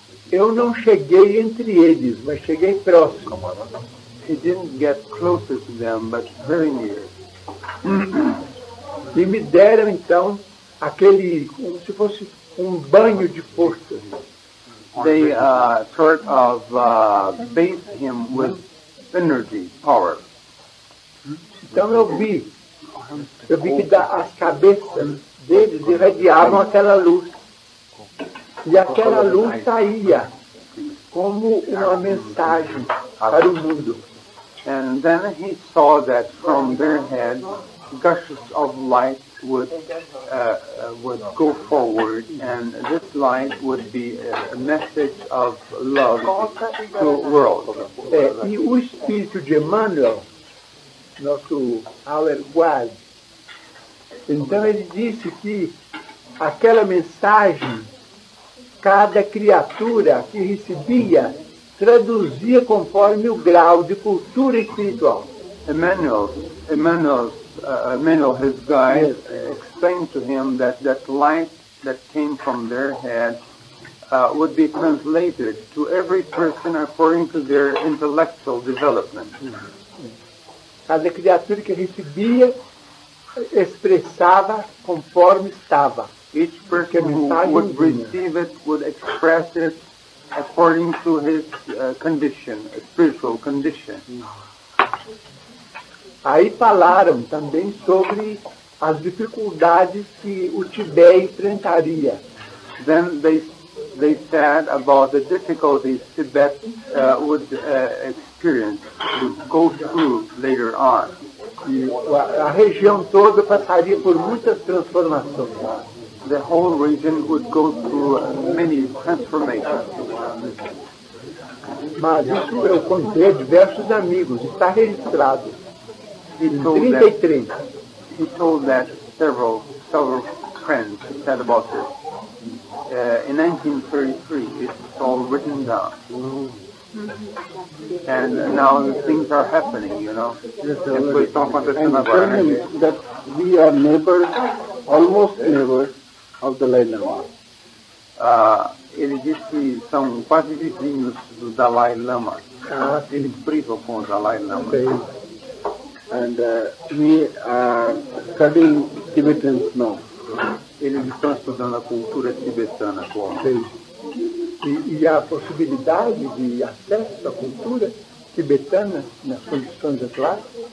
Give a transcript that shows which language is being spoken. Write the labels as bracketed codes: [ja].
[pt] Eu não cheguei entre eles, mas cheguei próximo. [en] He didn't get closer to them, but very near. [pt] E me deram, então, aquele, como se fosse banho de força. [en] They sort of bathed him with energy, power. [pt] Então eu vi que as cabeças deles irradiavam aquela luz. E aquela luz saía como uma mensagem para o mundo. [en] And then he saw that from their head, gushes of light would go forward, and this light would be a message of love to the world. [pt] E o espírito de Emmanuel, nosso Auer Guaz, então ele disse que aquela mensagem, cada criatura que recebia, traduzia conforme o grau de cultura espiritual. [en] Emmanuel, his guide, yes, explained to him that light that came from their head would be translated to every person according to their intellectual development. [pt] Cada criatura que recebia expressava conforme estava. [en] Each person who would receive it would express it according to his condition, a spiritual condition. [pt] Aí falaram também sobre as dificuldades que o Tibete enfrentaria. [en] Then they said about the difficulties Tibet would experience, would go through later on. [pt] A região toda passaria por muitas transformações. [en] The whole region would go through many transformations. [pt] Mas isso eu contei a diversos amigos, está registrado. [en] He told that several friends said about this. In 1933, it's all written down. And now things are happening, you know. That we are neighbors, almost neighbors, of the Dalai Lama. [pt] Ele disse que são quase vizinhos do Dalai Lama. Eles brigam com o Dalai Lama. [en] Okay. And we are studying Tibetan snow. [pt] Eles estão estudando a cultura tibetana agora. E a possibilidade de acesso à cultura tibetana nas condições de classe?